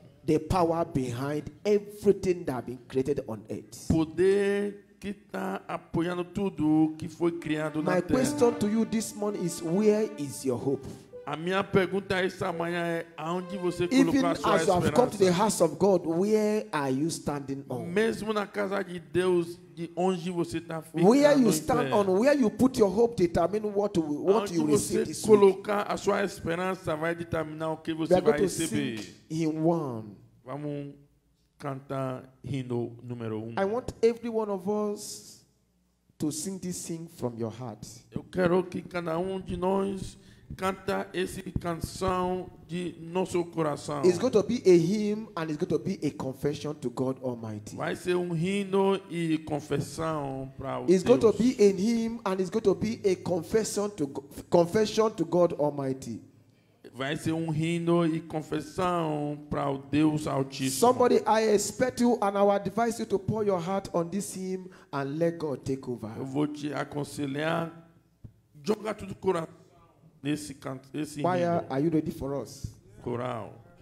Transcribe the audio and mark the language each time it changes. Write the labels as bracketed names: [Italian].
[English] the power behind everything that has been created on earth. [Portuguese] Poder que tá apoiando tudo que foi criado na terra. [English] My question to you this morning is, where is your hope? [Portuguese] A minha pergunta essa manhã é, aonde você colocou a sua esperança? [English] Even as you have come to the house of God, where are you standing on? [Portuguese] Mesmo na casa de Deus, de onde você tá ficando? [English] Where you stand on, where you put your hope determine what you receive this week. [Portuguese] Aonde você colocar a sua esperança vai determinar o que você vai receber. [English] In one. [Portuguese] Vamos cantar hino número 1. [English] I want every one of us to sing this song from your heart. [Portuguese] Eu quero que cada de nós canta essa canção de nosso coração. [English] It's going to be a hymn and it's going to be a confession to God Almighty. [Portuguese] Vai ser hino e confissão para o Deus. [English] It's going to be a hymn and it's going to be a confession to God Almighty. [Portuguese] Vai ser hino e confissão para o Deus Altíssimo. [English] Somebody, I expect you and I would advise you to pour your heart on this hymn and let God take over. [Portuguese] Eu vou te aconselhar, joga tudo coração. [English] Why are you ready for us? [Portuguese] Coral.